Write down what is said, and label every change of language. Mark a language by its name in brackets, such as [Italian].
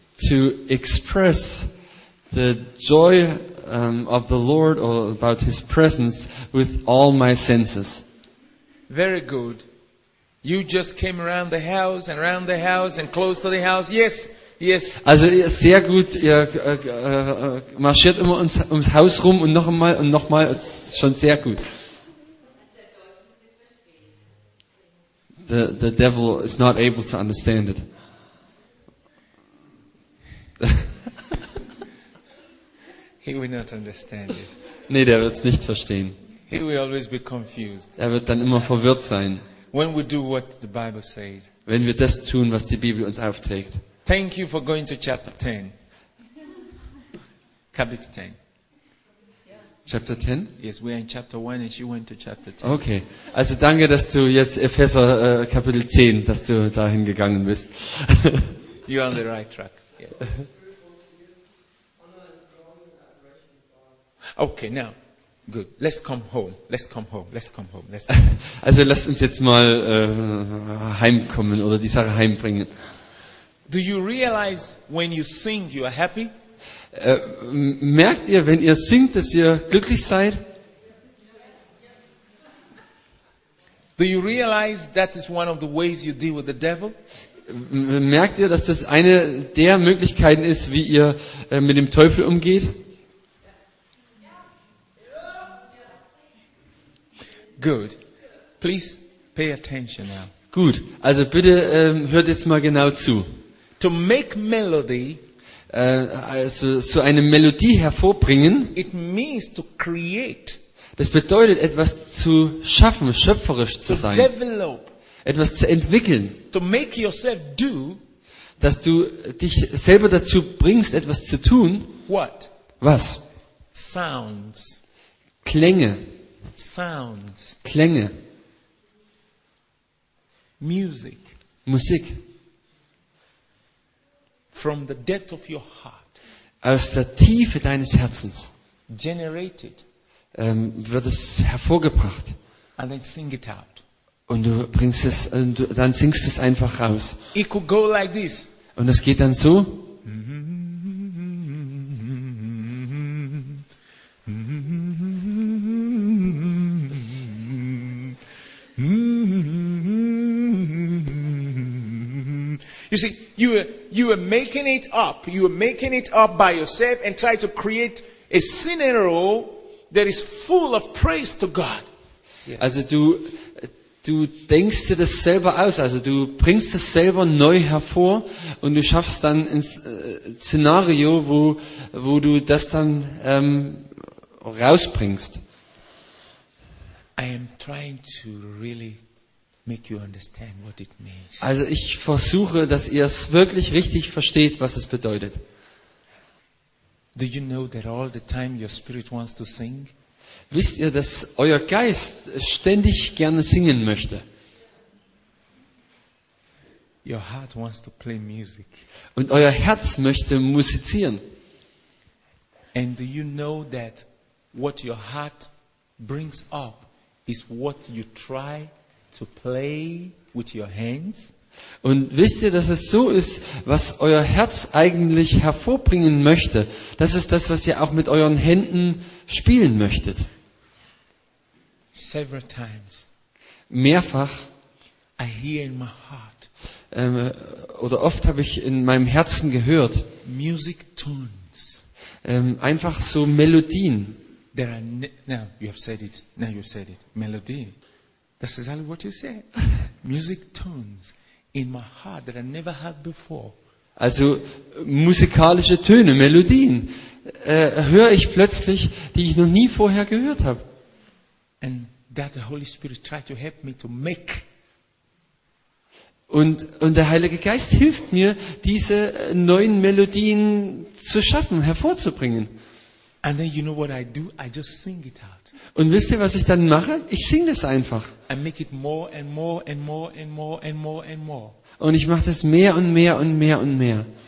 [English] To express the joy of the Lord or about His presence with all my senses. Very good. You just came around the house and around the house and close to the house. Yes. Yes. [German] Also sehr gut, ihr marschiert immer ums Haus rum und noch mal, ist schon sehr gut. [English] The devil is not able to understand it. He will not understand it. [German] Nee, der wird es nicht verstehen. [English] He will always be confused. [German] Er wird dann immer verwirrt sein. [English] When we do what the Bible says. [German] Wenn wir das tun, was die Bibel uns aufträgt. [English] Thank you for going to chapter 10. Chapter 10. Chapter 10? Yes, we are in chapter 1 and she went to chapter 10. Okay. [German] Also danke, dass du jetzt Epheser Kapitel 10, dass du dahin gegangen bist. [English] You're on the right track. Yeah. Okay, now. Good. Let's come home. Let's come home. Let's come home. Let's come. [German] Also lass uns jetzt mal heimkommen oder die Sache heimbringen. [English] Do you realize when you sing you are happy? [German] Merkt ihr, wenn ihr singt, dass ihr glücklich seid? [English] Do you realize that is one of the ways you deal with the devil? [German] Merkt ihr, dass das eine der Möglichkeiten ist, wie ihr mit dem Teufel umgeht? [English] Good. Please pay attention now. [German] Gut. Also bitte hört jetzt mal genau zu. [English] To make melody, [German] also so eine Melodie hervorbringen, [English] it means to create. [German] Das bedeutet, etwas zu schaffen, schöpferisch zu sein. [English] To develop, [German] etwas zu entwickeln. [English] To make yourself do, [German] dass du dich selber dazu bringst, etwas zu tun. [English] What? [German] Was? [English] Sounds. [German] Klänge. [English] Sounds. [German] Klänge. [English] Music. [German] Musik. [English] From the depth of your heart. [German] Aus der Tiefe deines Herzens. [English] Generated. [German] Wird es hervorgebracht. [English] And then sing it out. [German] Und du bringst es, und du, dann singst du es einfach raus. [English] It could go like this. [German] Und es geht dann so. [English] You see, you are making it up. You are making it up by yourself and try to create a scenario that is full of praise to God. Yes. [German] Also du du denkst dir das selber aus, also du bringst das selber neu hervor und du schaffst dann ein Szenario, wo du das dann rausbringst. [English] I am trying to really make you understand what it means. [German] Also ich versuche, dass ihr es wirklich richtig versteht, was es bedeutet. [English] Do you know that all the time your spirit wants to sing? [German] Wisst ihr, dass euer Geist ständig gerne singen möchte? [English] Your heart wants to play music. [German] Und euer Herz möchte musizieren. [English] And do you know that what your heart brings up is what you try to play with your hands? [German] Und wisst ihr, dass es so ist, was euer Herz eigentlich hervorbringen möchte? Das ist das, was ihr auch mit euren Händen spielen möchtet. [English] Several times. [German] Mehrfach. [English] I hear in my heart. [German] Oder oft habe ich in meinem Herzen gehört. [English] Music tunes. [German] Einfach so Melodien. [English] There are now you have said it. Now you have said it. Melody. That's exactly what you said. Music tunes in my heart that I never had before. [German] Also musikalische Töne, Melodien, höre ich plötzlich, die ich noch nie vorher gehört habe. [English] And that the Holy Spirit tried to help me to make. [German] Und der Heilige Geist hilft mir, diese neuen Melodien zu schaffen, hervorzubringen. [English] And then you know what I do? I just sing it out. [German] Und wisst ihr, was ich dann mache? Ich singe das einfach. [English] I make it more and more and more and more and more and more. [German] Und ich mache das mehr und mehr und mehr und mehr.